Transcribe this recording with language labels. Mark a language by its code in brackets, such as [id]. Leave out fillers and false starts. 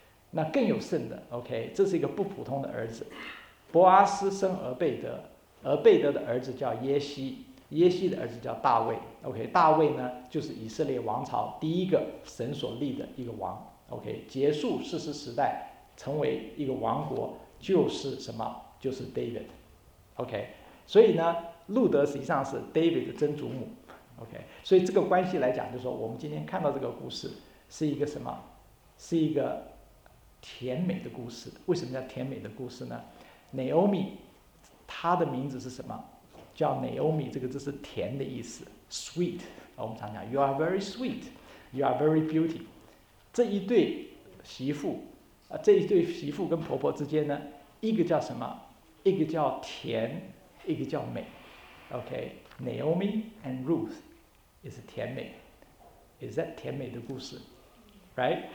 [zh] 那更有甚的， OK， 这是一个不普通的儿子，波阿斯生俄贝德，俄贝德的儿子叫耶西，耶西的儿子叫大卫， OK， 大卫呢就是以色列王朝第一个神所立的一个王， OK， 结束四世时代成为一个王国就是什么，就是 David， OK， 所以呢路德实际上是 David 的曾祖母， OK， 所以这个关系来讲就是说我们今天看到这个故事是一个什么，是一个甜美的故事。为什么叫甜美的故事呢？ Naomi 她的名字是什么，叫 Naomi， 这个字是甜的意思， sweet， 我们常讲 [en] you are very sweet， you are very beauty。 [zh] 这一对媳妇、这一对媳妇跟婆婆之间呢，一个叫什么，一个叫甜，一个叫美， OK， [en] Naomi and Ruth is [zh] 甜美， is that 甜美的故事， right？